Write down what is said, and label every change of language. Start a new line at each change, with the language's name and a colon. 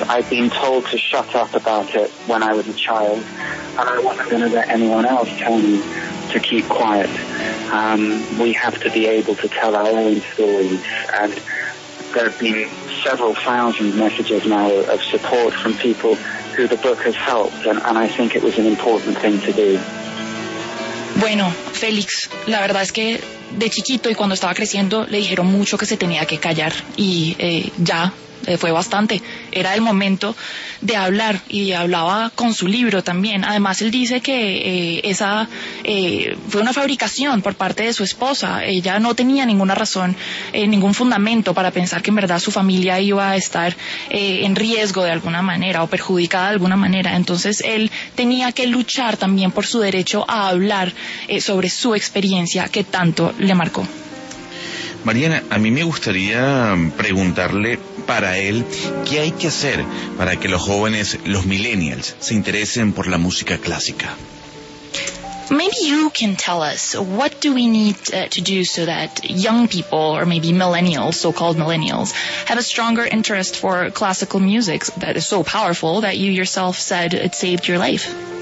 English: I've been told to shut up about it when I was a child, and I wasn't going to let anyone else tell me to keep quiet. We have to be able to tell our own stories, and there have been several thousand messages now of support from people who the book has helped, and I think it was an important thing to do.
Spanish: Bueno, Félix, la verdad es que de chiquito y cuando estaba creciendo le dijeron mucho que se tenía que callar y fue bastante. Era el momento de hablar y hablaba con su libro también. Además, él dice que fue una fabricación por parte de su esposa. Ella no tenía ninguna razón, ningún fundamento para pensar que en verdad su familia iba a estar en riesgo de alguna manera o perjudicada de alguna manera. Entonces, él tenía que luchar también por su derecho a hablar sobre su experiencia que tanto le marcó. Mariana, a mí me gustaría preguntarle para él qué hay que hacer para que los jóvenes, los millennials, se interesen por la música clásica.
English: Maybe you can tell us, what do we need to do so that young people, or maybe millennials, so-called millennials, have a stronger interest for classical music that is so powerful that you yourself said it saved your life?